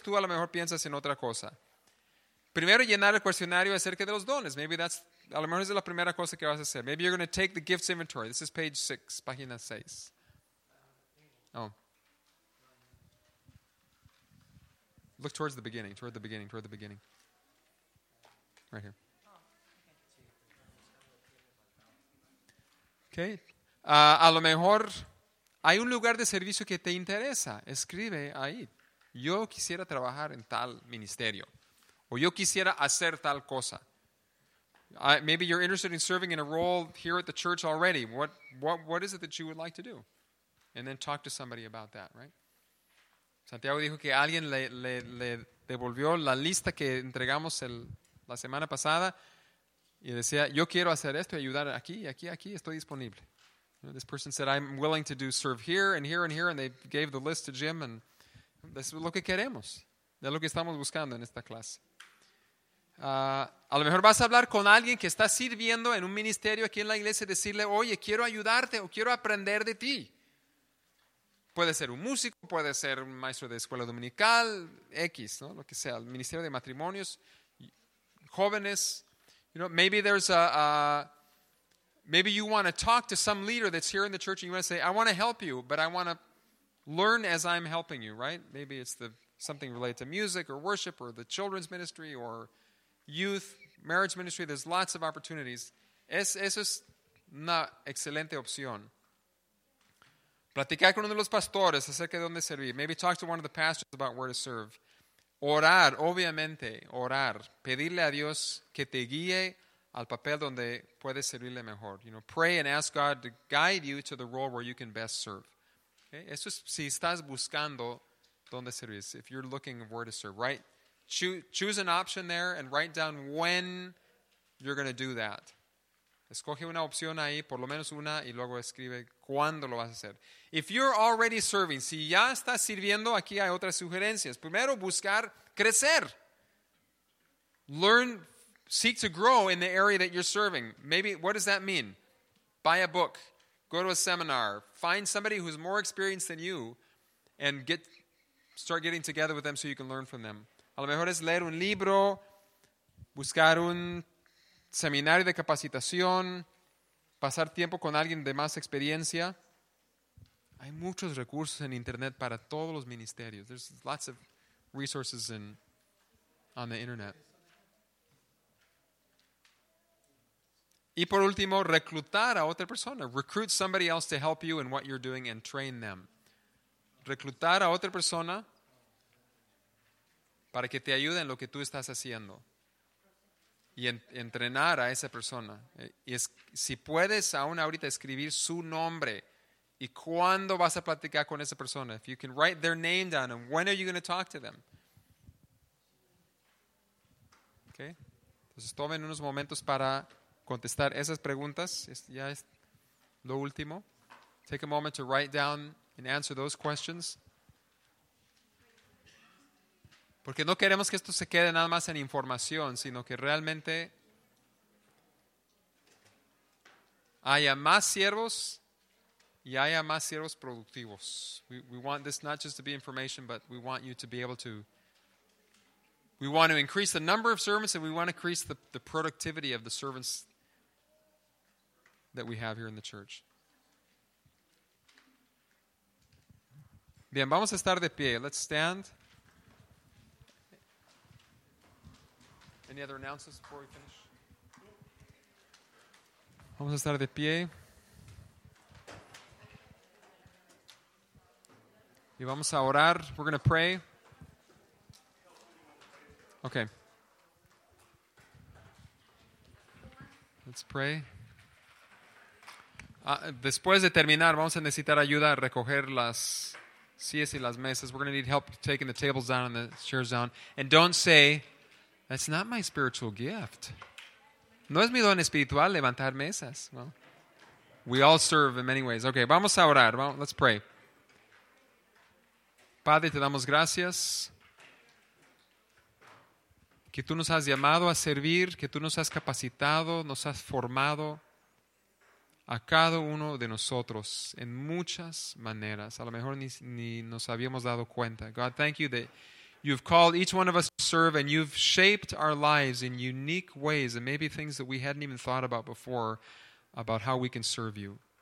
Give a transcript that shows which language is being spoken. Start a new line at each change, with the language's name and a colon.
Spanish: Tú a lo mejor piensas en otra cosa. Primero, llenar el cuestionario acerca de los dones.
English: Maybe that's
Spanish: a lo mejor es la primera cosa que vas a hacer.
English: Maybe you're going to take the gifts inventory. This is page 6,
Spanish: página 6.
English: Oh. Look towards the beginning, toward the beginning, toward the beginning. Right here. Okay.
Spanish: A lo mejor hay un lugar de servicio que te interesa. Escribe ahí. Yo quisiera trabajar en tal ministerio. O yo quisiera hacer tal cosa.
English: Maybe you're interested in serving in a role here at the church already. What is it that you would like to do? And then talk to somebody about that, right?
Spanish: Santiago dijo que alguien le devolvió la lista que entregamos la semana pasada y decía, yo quiero hacer esto y ayudar aquí, aquí, aquí, estoy disponible.
English: You know, this person said, I'm willing to do serve here and here and here, and they gave the list to Jim, and that's
Spanish: lo que queremos. De lo que estamos buscando en esta clase. A lo mejor vas a hablar con alguien que está sirviendo en un ministerio aquí en la iglesia y decirle, oye, quiero ayudarte o quiero aprender de ti. Puede ser un músico, puede ser un maestro de escuela dominical, X, ¿no? Lo que sea, el ministerio de matrimonios, jóvenes.
English: You know, maybe there's maybe you want to talk to some leader that's here in the church and you want to say, I want to help you, but I want to learn as I'm helping you, right? Maybe it's something related to music or worship or the children's ministry or youth, marriage ministry. There's lots of opportunities.
Spanish: Eso es una excelente opción. Platicar con uno de los pastores acerca de dónde servir.
English: Maybe talk to one of the pastors about where to serve.
Spanish: Orar, obviamente, orar. Pedirle a Dios que te guíe al papel donde puedes servirle mejor.
English: You know, pray and ask God to guide you to the role where you can best serve. Okay?
Spanish: Eso es si estás buscando dónde servir.
English: If you're looking where to serve, right? Choose an option there and write down when you're going to do that.
Spanish: Escoge una opción ahí, por lo menos una, y luego escribe cuándo lo vas a hacer.
English: If you're already serving,
Spanish: si ya estás sirviendo,
English: aquí hay otras sugerencias.
Spanish: Primero, buscar crecer.
English: Learn, seek to grow in the area that you're serving. Maybe, what does that mean? Buy a book, go to a seminar, find somebody who's more experienced than you, and start getting together with them so you can learn from them.
Spanish: A lo mejor es leer un libro, buscar un seminario de capacitación, pasar tiempo con alguien de más experiencia. Hay muchos recursos en internet para todos los ministerios.
English: There's lots of resources on the internet.
Spanish: Y por último, reclutar a otra persona.
English: Recruit somebody else to help you in what you're doing and train them.
Spanish: Reclutar a otra persona para que te ayude en lo que tú estás haciendo. Y entrenar a esa persona. Y si puedes aún ahorita escribir su nombre y cuándo vas a platicar con esa persona.
English: If you can write their name down and when are you going to talk to them.
Spanish: Okay. Entonces tomen unos momentos para contestar esas preguntas. Ya es lo último.
English: Take a moment to write down and answer those questions.
Spanish: Porque no queremos que esto se quede nada más en información, sino que realmente haya más siervos y haya más siervos productivos.
English: We want this not just to be information, but we want you to be able to. We want to increase the number of servants and we want to increase the productivity of the servants that we have here in the church.
Spanish: Bien, vamos a estar de pie.
English: Let's stand. Any other announcements before we finish?
Spanish: Vamos a estar de pie. Y vamos a orar.
English: We're going to pray. Okay. Let's pray.
Spanish: Después de terminar, vamos a necesitar ayuda a recoger las sillas y las mesas.
English: We're going to need help taking the tables down and the chairs down. And don't say, that's not my spiritual gift.
Spanish: No es mi don espiritual levantar mesas.
English: Well, we all serve in many ways.
Spanish: Okay, vamos a orar.
English: Let's pray.
Spanish: Padre, te damos gracias que tú nos has llamado a servir, que tú nos has capacitado, nos has formado a cada uno de nosotros en muchas maneras. A lo mejor ni nos habíamos dado cuenta.
English: God, thank you that you've called each one of us to serve and you've shaped our lives in unique ways and maybe things that we hadn't even thought about before about how we can serve you.